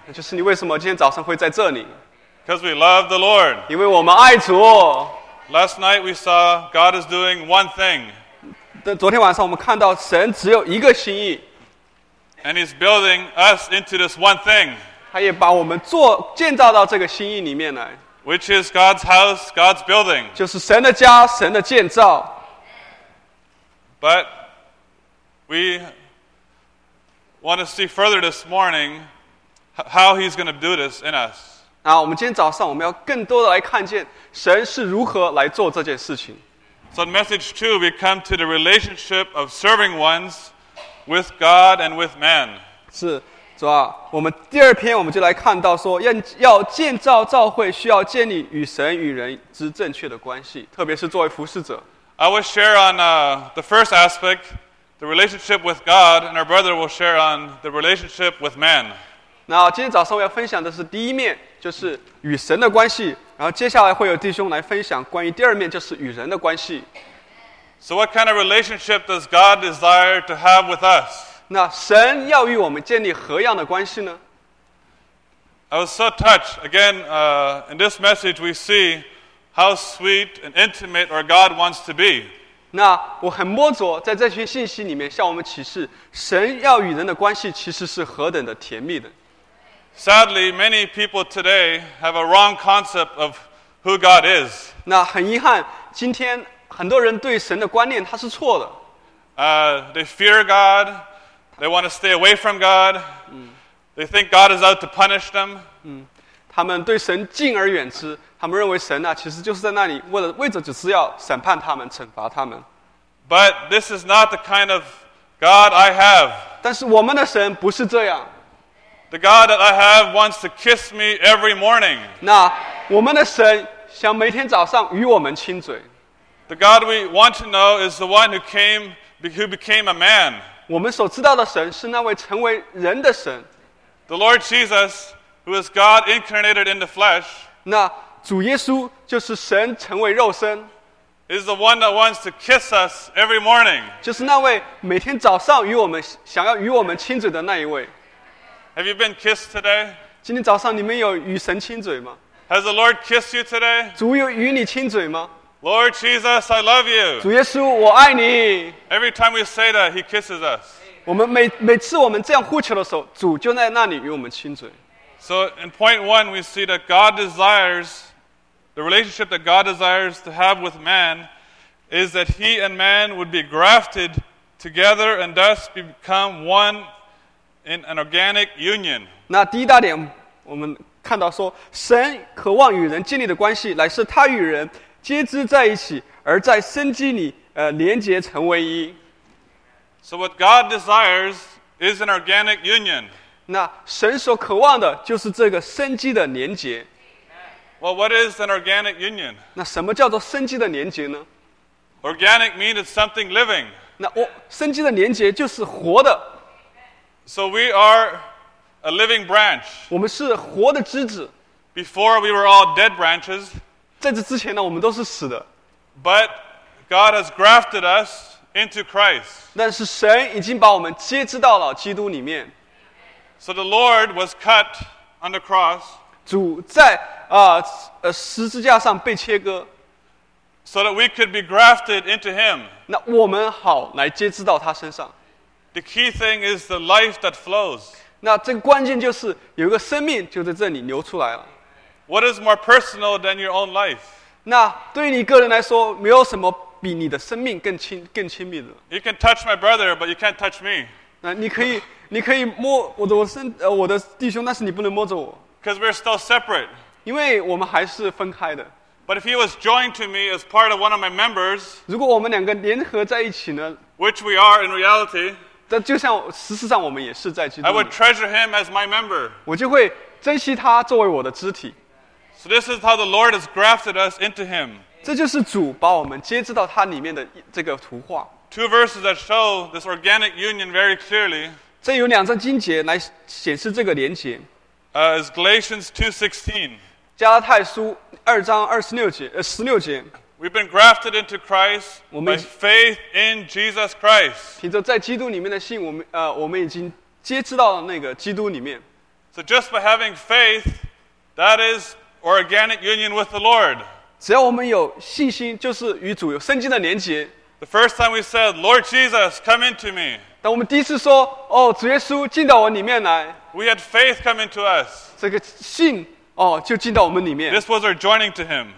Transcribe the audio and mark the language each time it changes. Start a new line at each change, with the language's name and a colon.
Chinese: 就是你为什么今天早上会在这里？
English: Because we love the Lord.
Chinese: 因为我们爱主。
English: Last night we saw God is doing one thing.
Chinese: 昨天晚上我们看到神只有一个心意。
English: And he's building us into this one thing.
Chinese: 他也把我们做建造到这个心意里面来。
English: Which is God's house, God's building.
Chinese: 就是神的家，神的建造。
English: But we want to see further this morning how he's going to do this in us.
Chinese: 那我们今天早上我们要更多的来看见神是如何来做这件事情。
English: So in message two, we come to the relationship of serving ones with God and with man.
Chinese: 是。主啊，我们第二篇我们就来看到说，要建造教会，需要建立与神与人之正确的关系，特别是作为服事者。
English: I will share on the first aspect, the relationship with God, and our brother will share on the relationship with man.
Chinese: 那今天早上我要分享的是第一面，就是与神的关系，然后接下来会有弟兄来分享关于第二面，就是与人的关系。
English: So what kind of relationship does God desire to have with us?
Chinese: 那神要与我们建立何样的关系呢？
English: I was so touched. Again, in this message we see how sweet and intimate our God wants to be.
Chinese: 那我很摸着在这些信息里面向我们启示，神要与人的关系其实是何等的甜蜜的。
English: Sadly, many people today have a wrong concept of who God is.
Chinese: 那很遗憾，今天很多人对神的观念他是错的。
English: They fear God. They want to stay away from God. They think God is out to punish them.
Chinese: 他们对神敬而远之，他们认为神啊，其实就是在那里为着只是要审判他们，惩罚他们。
English: But this is not the kind of God I have.
Chinese: 但是我们的神不是这样。
English: The God that I have wants to kiss me every morning.
Chinese: 那我们的神想每天早上与我们亲嘴。
English: The God we want to know is the one who became a man.
Chinese: 我们所知道的神是那位成为人的神。
English: The Lord Jesus, who is God incarnated in the flesh,
Chinese: 那主耶稣就是神成为肉身。
English: Is the one that wants to kiss us every morning.
Chinese: 就是那位每天早上与我们想要与我们亲嘴的那一位。
English: Have you been kissed today?
Chinese: 今天早上你们有与神亲嘴吗？
English: Has the Lord kissed you today?
Chinese: 主有与你亲嘴吗？
English: Lord Jesus, I love you.
Chinese: 主耶稣，我爱你。
English: Every time we say that, He kisses us.
Chinese: 我们每次我们这样呼求的时候，主就在那里与我们亲嘴。
English: So in point one, we see that God desires the relationship that God desires to have with man is that He and man would be grafted together and thus become one in an organic union.
Chinese: 那第一大点，我们看到说，神渴望与人建立的关系，乃是他与人。接枝在一起，而在生机里，连结成为一。
English: So what God desires is an organic union.
Chinese: 那神所渴望的就是这个生机的连结。
English: Well, what is an organic union?
Chinese: 那什么叫做生机的连结呢？
English: Organic means it's something living.
Chinese: 那生机的连结就是活的。
English: So we are a living branch.
Chinese: 我们是活的枝子。
English: Before we were all dead branches.
Chinese: 在这之前呢，我们都是死的。
English: But God has grafted us into Christ.
Chinese: 但是神已经把我们接枝到了基督里面。
English: So the Lord was cut on the cross.
Chinese: 主在十字架上被切割。
English: So that we could be grafted into Him.
Chinese: 那我们好来接枝到他身上。
English: The key thing is the life that flows.
Chinese: 那这个关键就是有一个生命就在这里流出来了。
English: What is more personal than your own life?
Chinese: 那对于你个人来说，没有什么比你的生命更亲密的。
English: You can touch my brother, but you can't touch me.
Chinese: 那你可以摸我的弟兄，但是你不能摸着我。
English: Because we're still separate.
Chinese: 因为我们还是分开的。
English: But if he was joined to me as part of one of my members,
Chinese: 如果我们两个联合在一起呢
English: ？Which we are in reality.
Chinese: 但就像实质上我们也是在基督里。
English: I would treasure him as my member.
Chinese: 我就会。珍惜他作为我的肢体。
English: So this is how the Lord has grafted us into Him.
Chinese: 这就是主把我们接枝到他里面的这个图画。
English: Two verses that show this organic union very clearly.
Chinese: 这有两章经节来显示这个连结。
English: Is Galatians 2:16.
Chinese: 加拉太书二章二十六节，十六节。
English: We've been grafted into Christ by faith in Jesus Christ.
Chinese: 凭着在基督里面的信，我们已经接触到那个基督里面。
English: So just by having faith, that is organic union with the Lord.
Chinese: 只要我们有信心，就是与主有圣经的连结。
English: The first time we said, Lord Jesus, come into me.
Chinese: 当我们第一次说，哦，主耶稣进到我里面来。
English: We had faith come into us.
Chinese: 这个信。哦，就进到我们里面。
English: This was our joining to him.